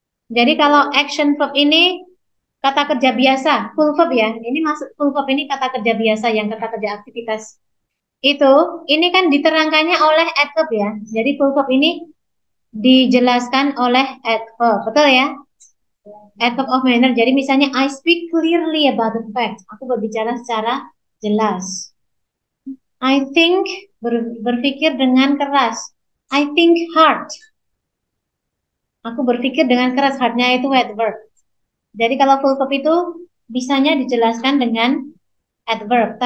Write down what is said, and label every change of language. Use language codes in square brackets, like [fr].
[id] Jadi kalau action verb ini kata kerja biasa, full verb ya. Ini masuk full verb ini kata kerja biasa yang kata kerja aktivitas. Itu ini kan diterangkannya oleh adverb ya. Jadi full verb ini dijelaskan oleh adverb. Betul ya? Adverb of manner. Jadi misalnya [en] I speak clearly about the fact. [id] Aku berbicara secara jelas. [en] I think [id] berpikir dengan keras. [en] I think hard. [id] Aku berpikir dengan keras, hardnya itu adverb. Jadi kalau full verb itu bisanya dijelaskan dengan adverb.